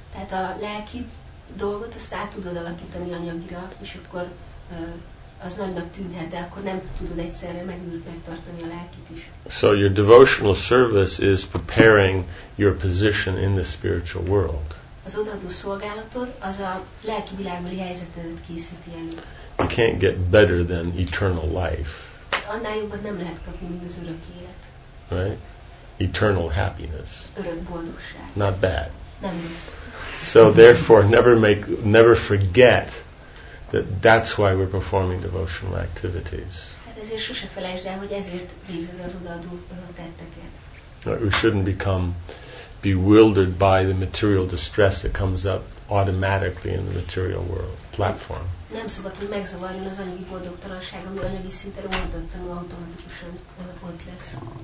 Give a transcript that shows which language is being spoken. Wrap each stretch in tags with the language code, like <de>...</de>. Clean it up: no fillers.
<hu>Tehát a lelki dolgot azt át tudod alakítani anyagira, és akkor az nagynak tűnhet, de akkor nem tudod egyszerre megtartani a lelkit is.</hu> <en>So your devotional service is preparing your position in the spiritual world.</en> <hu>Az odaadó szolgálatod az a lelki világbeli helyzetedet készíti elő.</hu> <en>You can't get better than eternal life.</en> <hu>Annál jobban nem lehet kapni, mint az örök élet.</hu> <en>Right? Eternal happiness.</en> <hu>Örök boldogság.</hu> <en>Not bad.</en> <hu>Nem rossz.</hu> <en>So therefore, never forget that that's why we're performing devotional activities.</en> <hu>Tehát ezért sose felejtsd el, hogy ezért végzed az odaadó tetteket.</hu> <en>Right? We shouldn't become bewildered by the material distress that comes up automatically in the material world platform.</en> <hu>Nem szabad, hogy megzavarjon az anyagi boldogtalanság, ami anyagi szinten oldatlanul automatikusan ott lesz.</hu>